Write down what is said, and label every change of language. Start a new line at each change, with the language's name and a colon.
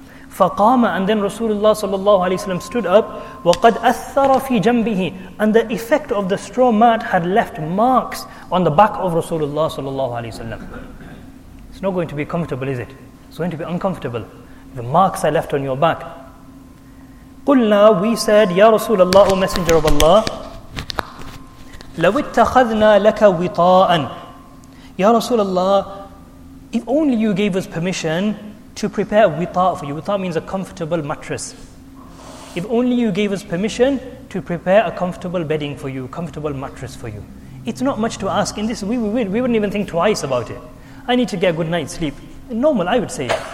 English: فَقَامَ, and then Rasulullah sallallahu alayhi wasallam stood up.
Arabic: وَقَدْ أَثَّرَ فِي جَنْبِهِ,
English: and the effect of the straw mat had left marks on the back of Rasulullah sallallahu alayhi wasallam. It's not going to be comfortable, is it? It's going to be uncomfortable. The marks are left on your back.
Arabic: قُلْنَا,
English: we said,
Arabic: يَا رَسُولَ اللَّهُ,
English: O Messenger of Allah,
Arabic: لَوِتَّخَذْنَا لَكَ وِطَاءً. يَا رَسُولَ اللَّهُ,
English: if only you gave us permission to prepare wita for you. Wita means a comfortable mattress. If only you gave us permission to prepare a comfortable bedding for you, comfortable mattress for you. It's not much to ask. In this, we wouldn't even think twice about it. I need to get a good night's sleep. Normal, I would say.